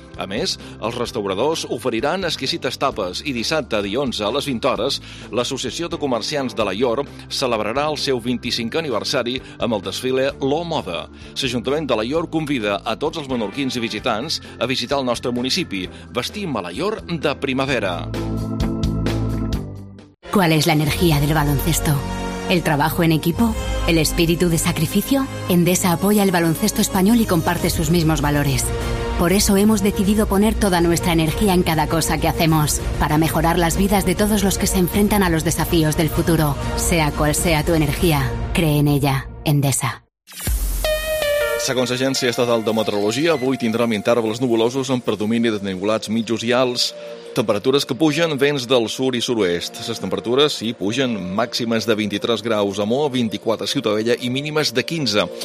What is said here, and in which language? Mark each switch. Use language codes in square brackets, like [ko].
[ca] A més, els restauradors oferiran exquisites tapes i dissabte, dia 11, a les 20 hores, l'Associació de Comerciants de Alaior celebrarà el seu 25è aniversari amb el desfile Lo Moda. L'Ajuntament de Alaior convida a tots els menorquins i visitants a visitar el nostre municipi. Vestim Alaior de primavera. [es] ¿Cuál es la energía del baloncesto? ¿El trabajo en equipo? ¿El espíritu de sacrificio? Endesa apoya el baloncesto español y comparte sus mismos valores. Por eso hemos decidido poner toda nuestra energía en cada cosa que hacemos, para mejorar las vidas de todos los que se enfrentan a los desafíos del futuro. Sea cual sea tu energía, cree en ella. Endesa. [ca] Segons l'Agència Estatal de Meteorologia, avui tindrem intervals nuvolosos amb predomini de nuvolats mitjos i alts. Temperatures que pugen, vents del sur i sud-oest. Les temperatures, sí, pugen, màximes de 23 graus a Moa, 24 a Ciutadella i mínimes de 15.